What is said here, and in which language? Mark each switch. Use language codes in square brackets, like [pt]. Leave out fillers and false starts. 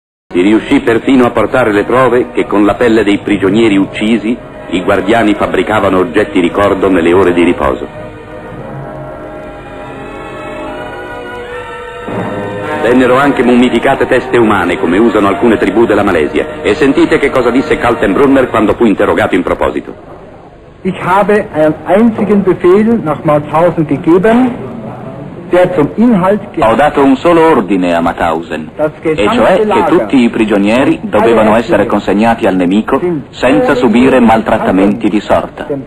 [it] Si riuscì perfino a portare le prove che con la pelle dei prigionieri uccisi i guardiani fabbricavano oggetti ricordo nelle ore di riposo. Vennero anche mummificate teste umane come usano alcune tribù della Malesia e sentite che cosa disse Kaltenbrunner quando fu interrogato in proposito. [de] Ich habe einen einzigen Befehl nach Mauthausen gegeben. [it] Ho dato un solo ordine a Mauthausen, e cioè che tutti i prigionieri dovevano essere consegnati al nemico senza subire maltrattamenti di sorta.